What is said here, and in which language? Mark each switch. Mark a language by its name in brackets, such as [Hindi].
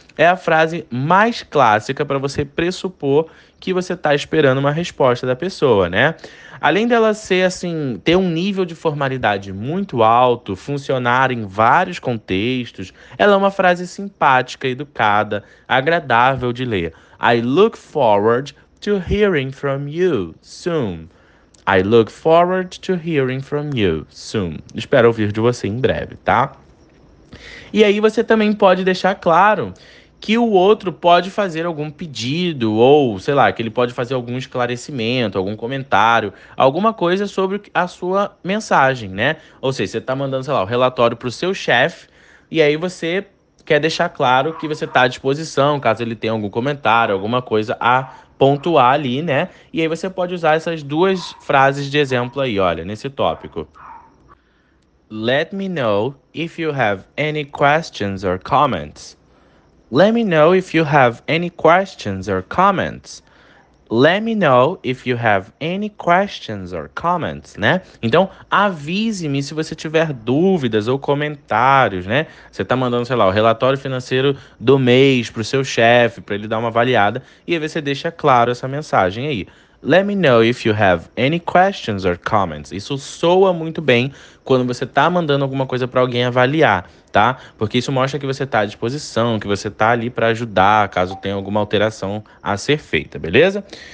[Portuguese] É a frase mais clássica para você pressupor que você está esperando uma resposta da pessoa, né? Além dela ser assim, ter um nível de formalidade muito alto, funcionar em vários contextos, ela é uma frase simpática, educada, agradável de ler. [English] I look forward to hearing from you soon. I look forward to hearing from you soon. [Portuguese] Espero ouvir de você em breve, tá? E aí você também pode deixar claro que o outro pode fazer algum pedido ou, sei lá, que ele pode fazer algum esclarecimento, algum comentário, alguma coisa sobre a sua mensagem, né? Ou seja, você tá mandando, sei lá, o relatório pro seu chefe e aí você quer deixar claro que você tá à disposição caso ele tenha algum comentário, alguma coisa a pontuar ali, né? E aí você pode usar essas duas frases de exemplo aí, olha, nesse tópico. [English] Let me know if you have any questions or comments. Let me know if you have any questions or comments. Let me know if you have any questions or comments, né? [Portuguese] Então, avise-me se você tiver dúvidas ou comentários, né? Você tá mandando, sei lá, o relatório financeiro do mês pro seu chefe, para ele dar uma avaliada, e aí você deixa claro essa mensagem aí. [English] Let me know if you have any questions or comments. [Portuguese] Isso soa muito bem quando você tá mandando alguma coisa para alguém avaliar, tá? Porque isso mostra que você tá à disposição, que você tá ali para ajudar, caso tenha alguma alteração a ser feita, beleza?